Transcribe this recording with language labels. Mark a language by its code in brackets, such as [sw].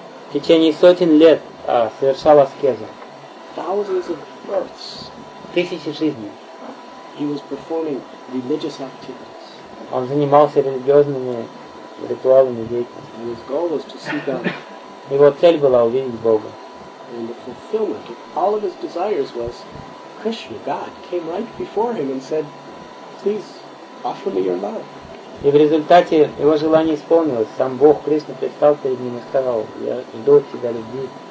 [ru] В течение сотен лет совершал аскезу. [en] Thousands of births. [ru] Тысячи жизней. [en] He was performing religious activities. [ru] Он занимался религиозными ритуалами деятельности. [en] And his goal was to see God. [ru] Его цель была увидеть Бога. [en] And the fulfillment of all of his desires was Krishna, God, came right before him and said, please offer me your love. [ru] И в результате его желание исполнилось. Сам Бог Кришна предстал перед ним и сказал, я жду от тебя любви.